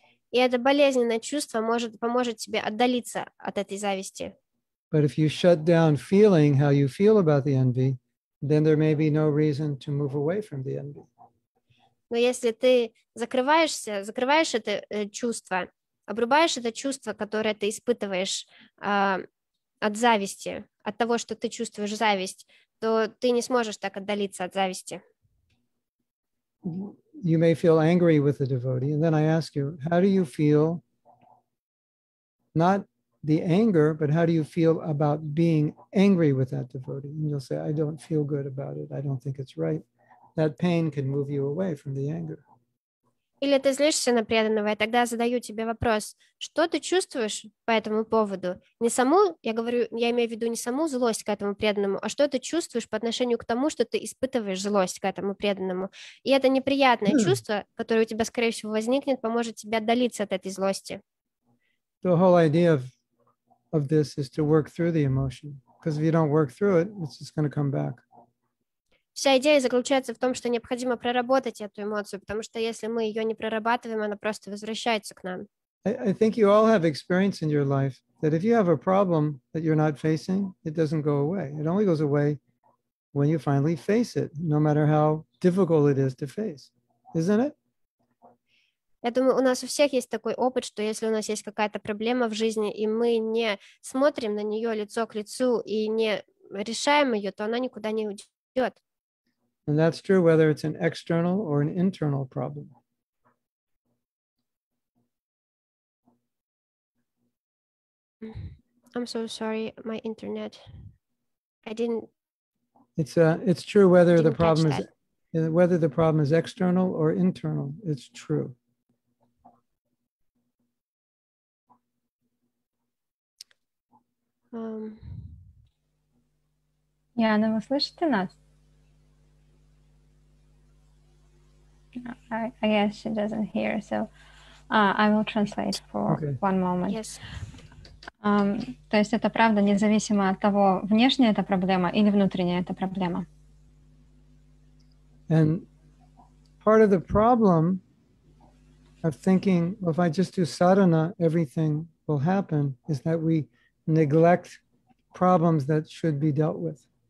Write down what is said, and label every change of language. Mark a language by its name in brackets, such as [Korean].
[Russian] И это болезненное чувство может поможет тебе отдалиться от этой зависти. [English] But if you shut down feeling how you feel about the envy, then there may be no reason to move away from the envy. [Russian] Но если ты закрываешься, закрываешь это чувство, обрубаешь это чувство, которое ты испытываешь от зависти, от того, что ты чувствуешь зависть, то ты не сможешь так отдалиться от зависти. [English] You may feel angry with the devotee, and then I ask you, how do you feel, not the anger, but how do you feel about being angry with that devotee? And you'll say, I don't feel good about it. I don't think it's right. That pain can move you away from the anger. [Russian] Или ты злишься на преданного, и тогда задаю тебе вопрос, что ты чувствуешь по этому поводу? Не саму, я говорю, я имею в виду не саму злость к этому преданному, а что ты чувствуешь по отношению к тому, что ты испытываешь злость к этому преданному. И это неприятное чувство, которое у тебя, скорее всего, возникнет, поможет тебе отдалиться от этой злости. [English] The whole idea of this is to work through the emotion. Because if you don't work through it, it's just going to come back. [Russian] Вся идея заключается в том, что необходимо проработать эту эмоцию, потому что если мы ее не прорабатываем, она просто возвращается к нам. [English] I think you all have experience in your life that if you have a problem that you're not facing, it doesn't go away. It only goes away when you finally face it, no matter how difficult it is to face. Isn't it? [Russian] Я думаю, у нас у всех есть такой опыт, что если у нас есть какая-то проблема в жизни, и мы не смотрим на нее лицо к лицу и не решаем ее, то она никуда не уйдет. [English] And that's true whether it's an external or an internal problem. I'm so sorry, my internet. I didn't... It's true whether the problem is whether the problem is external or internal. It's true. [Russian] Яна, вы слышите нас? [English] I guess she doesn't hear, so I will translate for one moment. Yes. [Russian] То есть это правда, независимо от того, внешняя это проблема или внутренняя это проблема. [English] And part of the problem of thinking, well, if I just do sadhana, everything will happen, is that we neglect problems that should be dealt with.